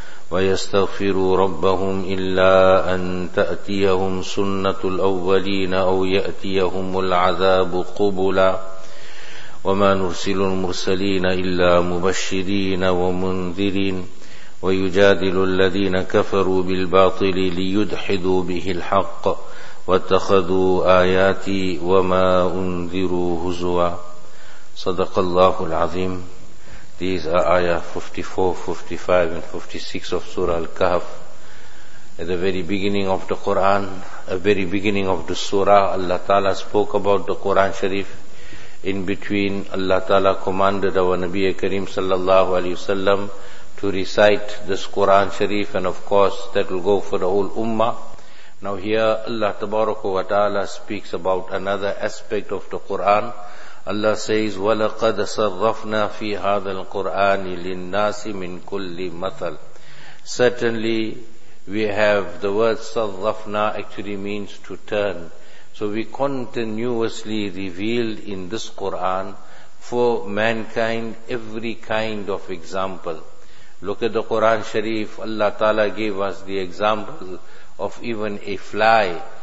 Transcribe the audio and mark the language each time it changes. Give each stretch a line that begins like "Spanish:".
Arabic: ويستغفروا ربهم إلا أن تأتيهم سنة الأولين أو يأتيهم العذاب قبلا وما نرسل المرسلين إلا مبشرين ومنذرين ويجادل الذين كفروا بالباطل ليدحضوا به الحق واتخذوا آياتي وما أنذروا هزوا صدق الله العظيم.
English: These are ayah 54, 55 and 56 of Surah Al-Kahf. At the very beginning of the Qur'an, a very beginning of the Surah, Allah Ta'ala spoke about the Qur'an Sharif. In between, Allah Ta'ala commanded our Nabi Kareem Sallallahu Alaihi Wasallam to recite this Qur'an Sharif, and of course that will go for the whole Ummah. Now here Allah Tabaraka wa Ta'ala speaks about another aspect of the Qur'an. Allah says,
Arabic: وَلَقَدْ صَرَّفْنَا فِي هَذَا الْقُرْآنِ لِلنَّاسِ مِنْ كُلِّ مَثَلٍ.
English: Certainly, we have the word صَرَّفْنَا actually means to turn. So we continuously revealed in this Qur'an for mankind every kind of example. Look at the Qur'an Sharif. Allah Ta'ala gave us the example of even a fly.